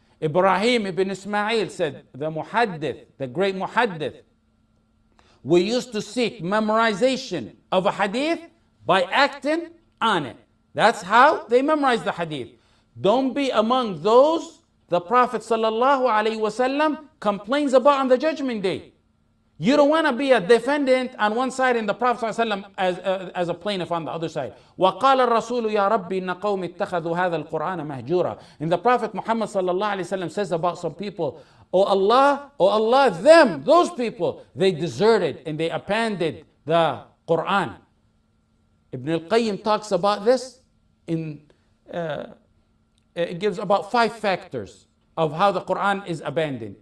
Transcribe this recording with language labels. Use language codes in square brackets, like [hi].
[en] Ibrahim ibn Ismail said, the muhaddith, the great muhaddith, we used to seek memorization of a hadith by acting on it. That's how they memorize the hadith. Don't be among those the Prophet sallallahu alayhi wasallam complains about on the judgment day. You don't want to be a defendant on one side and the Prophet sallallahu alayhi wasallam as a plaintiff on the other side. [ar] وقال الرسول يا ربي إن قوم اتخذوا هذا القرآن مهجورا. [en] And the Prophet Muhammad sallallahu alayhi wasallam says about some people, Oh Allah, them, those people, they deserted and they abandoned the Quran. Ibn al-Qayyim talks about this in it gives about five factors of how the Quran is abandoned.